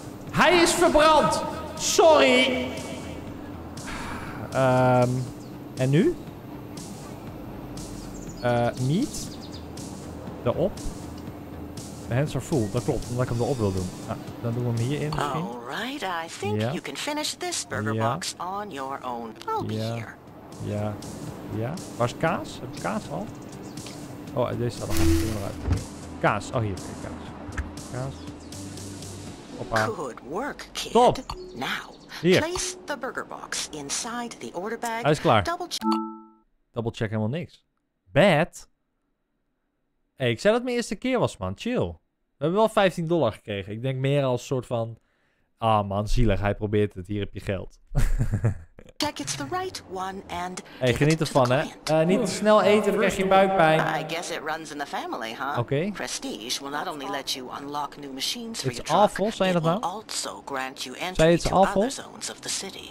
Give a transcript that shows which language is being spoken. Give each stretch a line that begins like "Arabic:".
Dutch: Hij is verbrand! Sorry! En nu? Meat? Daarop. Mijn
English: hands are full,
Dutch: dat klopt, omdat ik hem erop wil doen. Nou, dan doen we hem hier in misschien.
English: Alright, I think you can finish this burger box on your own. I'll be here.
Dutch: Ja. Ja. Waar is kaas? Heb ik kaas al? Oh, deze staat er nog uit. Kaas. Oh, hier. Kaas. Kaas. Hoppa.
English: Good work, kid. Stop. Now, hier. Place the burger box inside the order bag.
Dutch: Hij is klaar. Double check helemaal niks. Bad. Hey, ik zei dat het mijn eerste keer was, man. Chill. We hebben wel $15 gekregen. Ik denk meer als soort van... Ah, man, zielig. Hij probeert het. Hier heb je geld.
English: Check, it's the right one and...
Dutch: Hey, geniet ervan, hè. Niet te snel eten, dan krijg je buikpijn.
English: I guess it runs in the family, huh? Oké. Okay. Prestige will not only let you unlock new machines it's for your awful, truck,
Dutch: zei je dat nou?
English: Also grant you entry to other zones of the city.